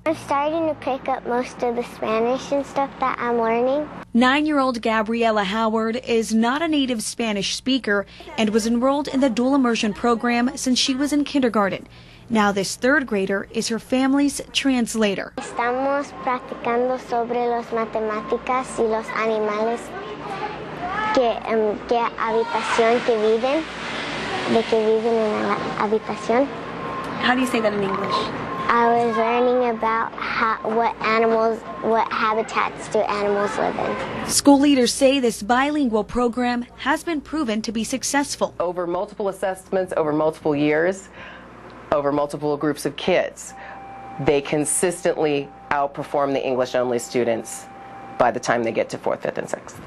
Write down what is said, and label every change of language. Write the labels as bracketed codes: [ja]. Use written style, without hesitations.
[en] I'm starting to pick up most of the Spanish and stuff that I'm learning. 9-year-old Gabriela Howard is not a native Spanish speaker and was enrolled in the dual immersion program since she was in kindergarten. Now this third grader is her family's translator. [es] Estamos practicando sobre las matemáticas y los animales que habitación que viven, de que viven en la habitación. [en] How do you say that in English? I was learning about what habitats do animals live in. School leaders say this bilingual program has been proven to be successful. Over multiple assessments, over multiple years, over multiple groups of kids, they consistently outperform the English-only students by the time they get to 4th, 5th, and 6th.